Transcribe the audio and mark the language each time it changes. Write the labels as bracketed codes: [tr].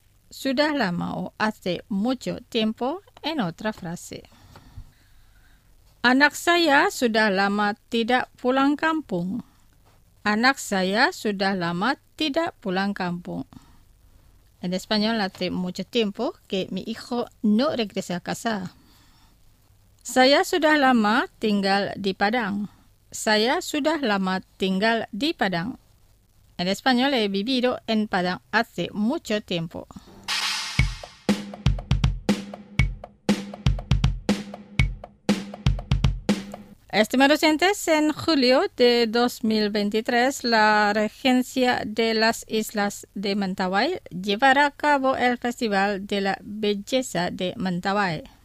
[es] Sudah lama, o hace mucho tiempo, en otra frase. [id] Anak saya sudah lama tidak pulang kampung. Anak saya sudah lama tidak pulang kampung. [es] En español, hace mucho tiempo que mi hijo no regresa a casa. [id] Saya sudah lama tinggal di Padang. Saya sudah lama tinggal di Padang. [es] En español, he vivido en Padang hace mucho tiempo. Estimados oyentes, en julio de 2023, la Regencia de las Islas de Mentawai llevará a cabo el Festival de la Belleza de Mentawai.